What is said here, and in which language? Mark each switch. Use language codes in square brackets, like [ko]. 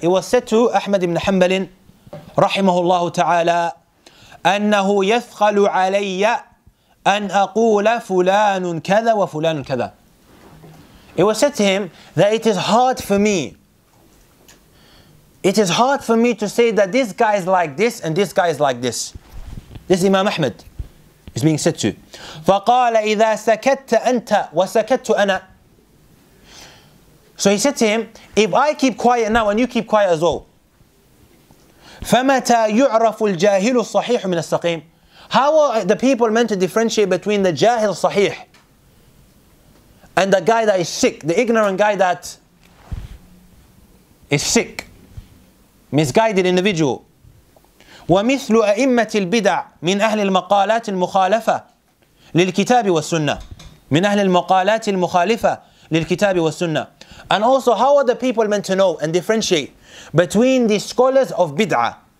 [en] It was said to Ahmad ibn Hanbal rahimahullah ta'ala, [ar] أَنَّهُ يَثْقَلُ عَلَيَّ أن أقول فلان كذا وفلان كذا. [en] It was said to him that it is hard for me to say that this guy is like this and this guy is like this. This Imam Ahmed is being said to. [ar] فقال إذا سكت أنت وسكت أنا. [en] So he said to him, if I keep quiet now and you keep quiet as well. [ar] فمتى يعرف الجاهل الصحيح من السقيم. [en] How are the people meant to differentiate between the jahil sahih and the guy that is sick, the ignorant guy that is sick, misguided individual? [ar] وَمِثْلُ أَئِمَّةِ الْبِدَعِ مِنْ أَهْلِ الْمَقَالَاتِ الْمُخَالَفَةِ لِلْكِتَابِ وَالسُّنَّةِ مِنْ أَهْلِ الْمَقَالَاتِ الْمُخَالِفَةِ لِلْكِتَابِ وَالسُّنَّةِ [en] And also, how are the people meant to know and differentiate between the scholars of bid'ah?